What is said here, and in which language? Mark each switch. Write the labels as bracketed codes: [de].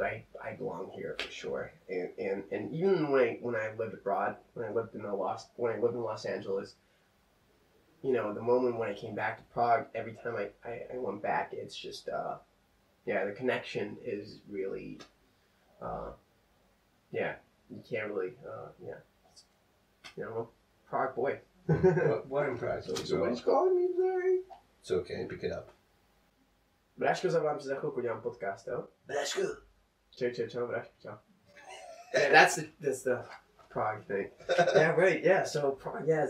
[en] I belong here, for sure. And even when I lived in Los Angeles, you know, the moment when I came back to Prague, every time I went back, it's just... Yeah, the connection is really, you can't really, you know, Prague boy. What in Prague? So somebody's calling me today. It's okay, pick it up. [cs] Brašku, zavolám si za chvilku, dělám podcast, jo? Brašku. Čau, Brašku, čau. [en] Yeah, that's the Prague thing. Yeah, right, yeah, so Prague, yeah.